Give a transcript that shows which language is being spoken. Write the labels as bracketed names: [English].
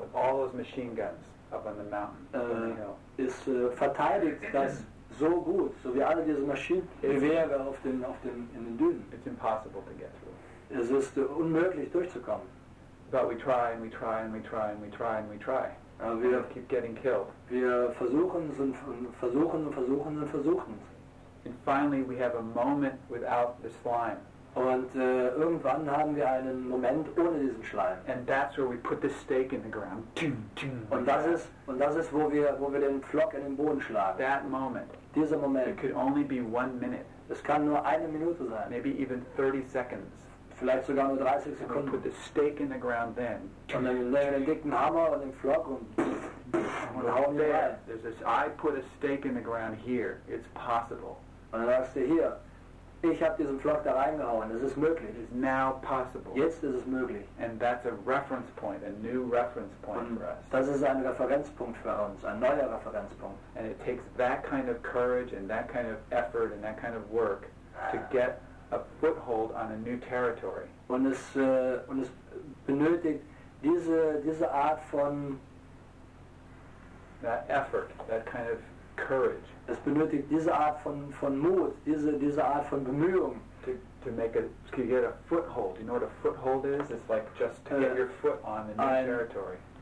[English] with all those machine guns up on the mountain. [German] Ist verteidigt das so gut, so wie alle diese Maschinengewehre in den Dünen. [English] It's impossible to get through. [German] Es ist unmöglich durchzukommen. [English] But we try and we try and we try and we try and we try. [German] Wir [English] keep getting killed. [German] Wir versuchen und versuchen. [English] And finally we have a moment without the slime. [German] Und irgendwann haben wir einen Moment ohne diesen Schleim. [English] And that's where we put the stake in the ground. [German] Und das ist wo wir den Pflock in den Boden schlagen. [English] That moment. [German] Dieser Moment. [English] It could only be 1 minute. [German] Es kann nur eine Minute sein. [English] Maybe even 30 seconds. [German] Vielleicht sogar nur 30 Sekunden. [English] Put the stake in the ground then. [German] Und dann legen wir den dicken Hammer und den Pflock und hauen ihn rein. [English] There's this, I put a stake in the ground here. It's possible. [German] Und dann sagst du hier, ich habe diesen Pflock da reingehauen. Es ist möglich. [English] It is now possible. [German] Jetzt ist es möglich. [English] And that's a reference point, a new reference point for us. [German] Das ist ein Referenzpunkt für uns, ein neuer Referenzpunkt. [English] And it takes that kind of courage and that kind of effort and that kind of work to get a foothold on a new territory. [German] Und es benötigt diese Art von [English] that effort, that kind of courage. [German] Es benötigt diese Art von Mut, diese Art von Bemühung. [English] To get a foothold. You know what a foothold is? It's like just to get your foot on a new territory.